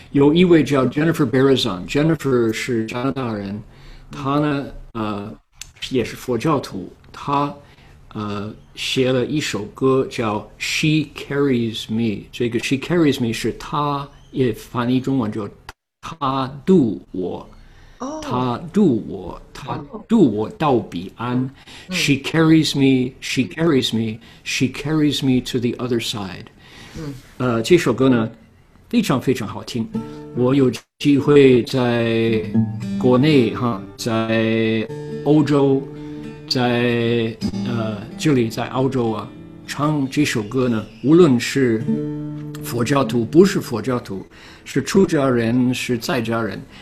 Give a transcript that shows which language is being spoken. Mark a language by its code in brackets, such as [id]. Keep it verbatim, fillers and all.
[zh] 有一位叫 Jennifer Berazan，Jennifer 是加拿大人，她呢，呃，也是佛教徒，她呃写了一首歌叫《She Carries Me》，这个 She Carries Me 是她也翻译中文叫她渡我。他渡我，他渡我到彼岸。 [en] She carries me, she carries me, she carries me to the other side。 [zh] 呃，这首歌呢非常非常好听。我有机会在国内哈，在欧洲，在呃这里在澳洲啊，唱这首歌呢，无论是佛教徒不是佛教徒，是出家人是在家人。